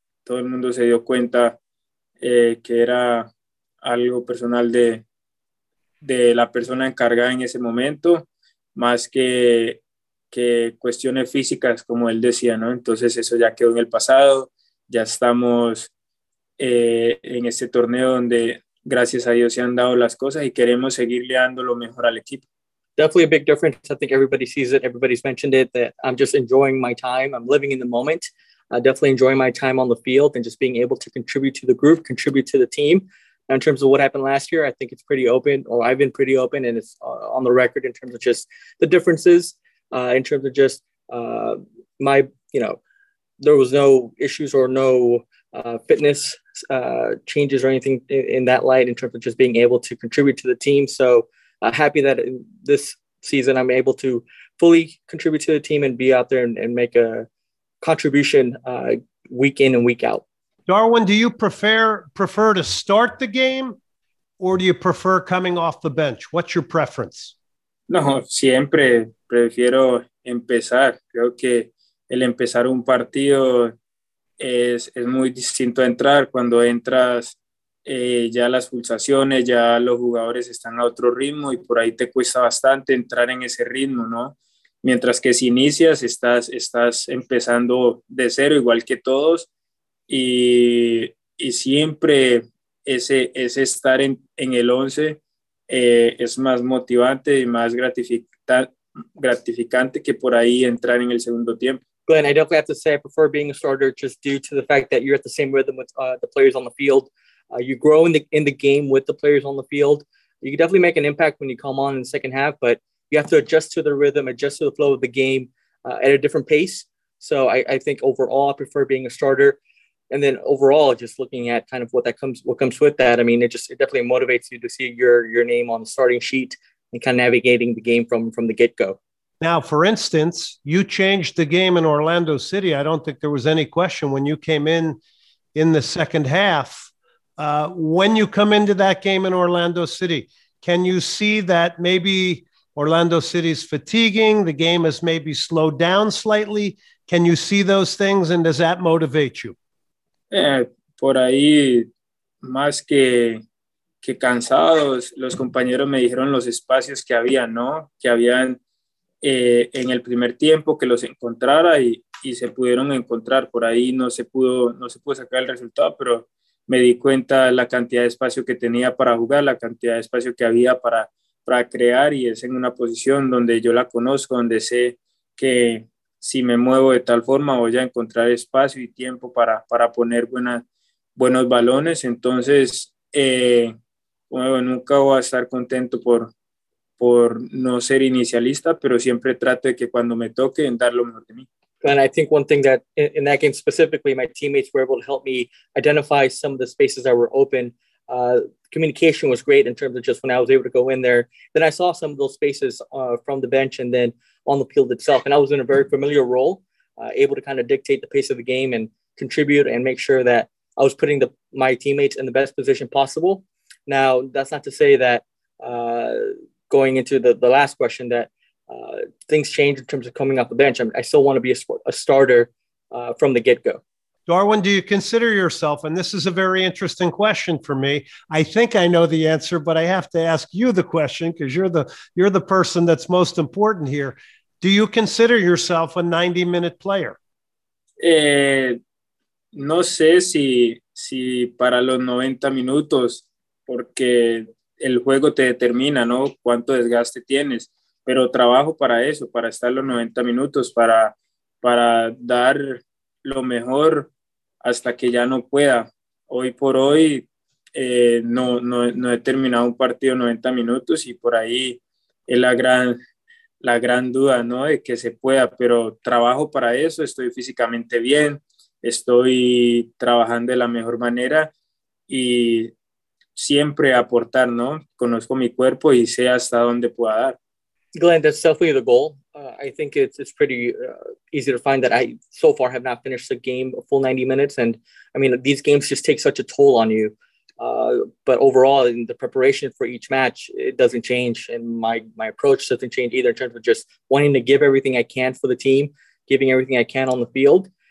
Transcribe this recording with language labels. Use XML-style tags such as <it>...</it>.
<es>Todo el mundo se dio cuenta que era algo personal de la persona encargada en ese momento, más que cuestiones físicas, como él decía, ¿no? Entonces eso ya quedó en el pasado. Ya estamos en este torneo donde, gracias a Dios, se han dado las cosas y queremos seguirle dando lo mejor al equipo.</es> <en>Definitely a big difference. I think everybody sees it. Everybody's mentioned it, that I'm just enjoying my time. I'm living in the moment. I definitely enjoy my time on the field and just being able to contribute to the group, contribute to the team. Now, in terms of what happened last year, I think it's pretty open, or I've been pretty open, and it's on the record in terms of just the differences, in terms of just my, you know, there was no issues or no fitness changes or anything in that light in terms of just being able to contribute to the team. So happy that in this season I'm able to fully contribute to the team and be out there and make a contribution week in and week out. Darwin, do you prefer to start the game or do you prefer coming off the bench? What's your preference?</en> <es>No, siempre prefiero empezar. Creo que el empezar un partido es muy distinto a entrar. Cuando entras, ya las pulsaciones, ya los jugadores están a otro ritmo y por ahí te cuesta bastante entrar en ese ritmo, ¿no? Mientras que si inicias, estás empezando de cero, igual que todos. Y siempre ese estar en el 11 es más motivante y más gratificante que por ahí entrar en el segundo tiempo.</es> <en>Glenn, I definitely have to say I prefer being a starter just due to the fact that you're at the same rhythm with the players on the field. You grow in the game with the players on the field. You can definitely make an impact when you come on in the second half, but you have to adjust to the rhythm, adjust to the flow of the game at a different pace. So I think overall, I prefer being a starter. And then overall, just looking at kind of what comes with that, I mean, it definitely motivates you to see your name on the starting sheet and kind of navigating the game from the get-go. Now, for instance, you changed the game in Orlando City. I don't think there was any question when you came in the second half. When you come into that game in Orlando City, can you see that maybe Orlando City's fatiguing, the game has maybe slowed down slightly? Can you see those things, and does that motivate you?</en> <es>Por ahí, más que cansados, los compañeros me dijeron los espacios que había, ¿no? Que habían en el primer tiempo, que los encontrara y se pudieron encontrar. Por ahí no se pudo sacar el resultado, pero me di cuenta la cantidad de espacio que tenía para jugar, la cantidad de espacio que había para crear, y es en una posición donde yo la conozco, donde sé que si me muevo de tal forma voy a encontrar espacio y tiempo para poner buenos balones. Entonces, bueno, nunca voy a estar contento por no ser inicialista, pero siempre trato de que cuando me toque dar lo mejor de mí.</es> <en>And I think one thing that in that game specifically, my teammates were able to help me identify some of the spaces that were open. Communication was great in terms of just when I was able to go in there. Then I saw some of those spaces from the bench and then on the field itself. And I was in a very familiar role, able to kind of dictate the pace of the game and contribute and make sure that I was putting my teammates in the best position possible. Now, that's not to say that going into the last question that things change in terms of coming off the bench. I still want to be a starter from the get-go. Darwin, do you consider yourself, and this is a very interesting question for me, I think I know the answer, but I have to ask you the question because you're the person that's most important here. Do you consider yourself a 90-minute player?</en> <es>No sé si para los 90 minutos, porque el juego te determina, ¿no? Cuánto desgaste tienes. Pero trabajo para eso, para estar los 90 minutos, para dar lo mejor hasta que ya no pueda. Hoy por hoy no he terminado un partido 90 minutos y por ahí es la gran duda, ¿no? De que se pueda, pero trabajo para eso, estoy físicamente bien, estoy trabajando de la mejor manera y siempre aportar, ¿no? Conozco mi cuerpo y sé hasta dónde pueda dar.</es> <en>Glenn, that's definitely the goal. I think it's pretty easy to find that I so far have not finished a game a full 90 minutes. And I mean, these games just take such a toll on you. But overall, in the preparation for each match, it doesn't change. And my approach doesn't change either in terms of just wanting to give everything I can for the team, giving everything I can on the field.</en>